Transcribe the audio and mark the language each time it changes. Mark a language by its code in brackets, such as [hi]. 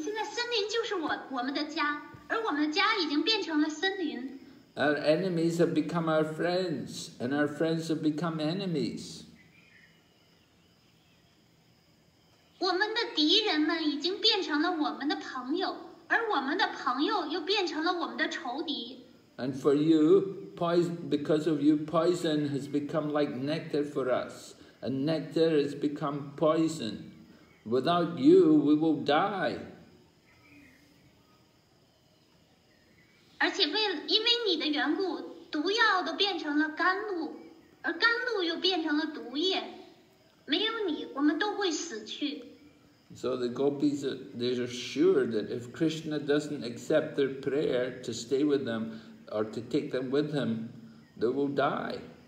[zh] 现在森林就是我们的家，而我们的家已经变成了森林。 [en] Our enemies have become our friends, and our friends have become enemies. [zh] 我们的敌人们已经变成了我们的朋友，而我们的朋友又变成了我们的仇敌。 [en] And for you, because of you, poison has become like nectar for us. And nectar has become poison. Without you, we will die. So the gopis, they are sure that if Krishna doesn't accept their prayer to stay with them or to take them with him, they will die.